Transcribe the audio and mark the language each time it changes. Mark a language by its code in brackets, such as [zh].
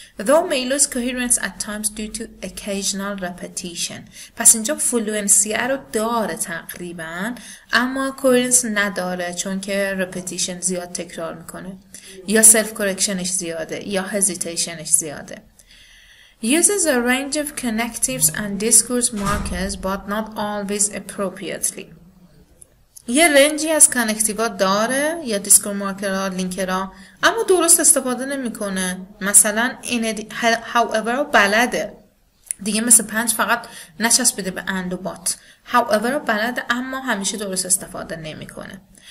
[en] though may lose coherence at times due to occasional repetition. [fa] پس اینجا فلوئنسی رو داره تقریبا اما coherence نداره، چون که repetition زیاد تکرار میکنه یا سلف کورکشنش زیاده یا هزیتیشنش زیاده. [en] uses a range of connectives and discourse markers but not always appropriately. [fa] یه رنجی از کانکتیوا داره یا دیسکور مارکرها، لینکرها، اما درست استفاده نمیکنه. مثلا این however بلده دیگه، مثل 5 فقط نچسبیده به اند و بات. however بلده اما همیشه درست استفاده نمیکنه.